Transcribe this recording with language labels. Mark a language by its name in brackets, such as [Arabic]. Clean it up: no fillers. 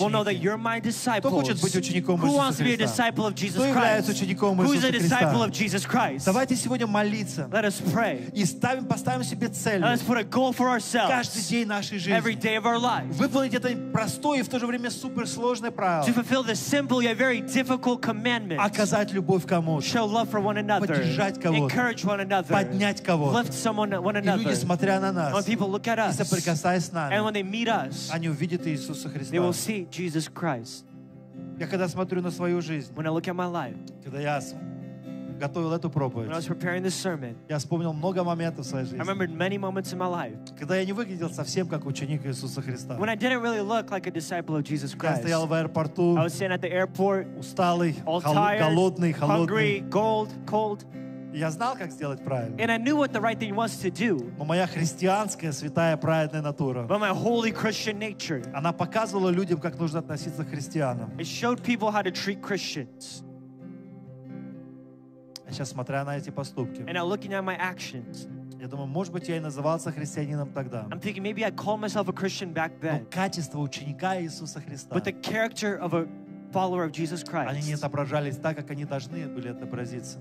[English] Will know that you're my disciples. [Russian] Кто хочет быть учеником [English] Иисуса Христа? Who wants to be a disciple of Jesus Christ? [Russian] Кто является учеником Иисуса Христа? [English] Who is a disciple of Jesus Christ? [Russian] Давайте сегодня молиться. [English] Let us pray. [Russian] И поставим себе цель. [English] Let us put a goal for ourselves. [Russian] Каждый день нашей жизни. [English] Every day of our life. [Russian] Выполнить это простое и в то же время суперсложное правило. [English] To fulfill this simple yet very difficult commandment. [Russian] Оказать любовь кому-то. [English] For one another, encourage one another, [Russian] поднять кого-то, [English] lift someone one another. [Russian] И люди, смотря на нас, [English] when people look at us, [Russian] и соприкасаясь с нами, [English] and when they meet us, [Russian] они увидят Иисуса Христа. [English] They will see Jesus Christ. [Russian] Я когда смотрю на свою жизнь, [English] when I look at my life, [Russian] когда я готовил эту проповедь, [English] when I was preparing this sermon, [Russian] я вспомнил много моментов в своей жизни. [English] I remembered many moments in my life, [Russian] когда я не выглядел совсем как ученик Иисуса Христа. [English] When I didn't really look like a disciple of Jesus Christ. [Russian] Я стоял в аэропорту, [English] I was standing at the airport, [Russian] усталый, [English] all tired, [Russian] голодный, холодный, [English] hungry, cold, cold. [Russian] Я знал, как сделать правильно. [English] And I knew what the right thing was to do. [Russian] Но моя христианская, святая, праведная натура, [English] but my holy Christian nature, [Russian] она показывала людям, как нужно относиться к христианам. [English] It showed people how to treat Christians. [Russian] Сейчас смотря на эти поступки, [English] and I'm looking at my actions, [Russian] я думаю, может быть, я и назывался христианином тогда. [English] I'm thinking maybe I called myself a Christian back then. [Russian] Но качество ученика Иисуса Христа, [English] but the character of a follower of Jesus Christ, [Russian] они не отображались так, как они должны были отобразиться.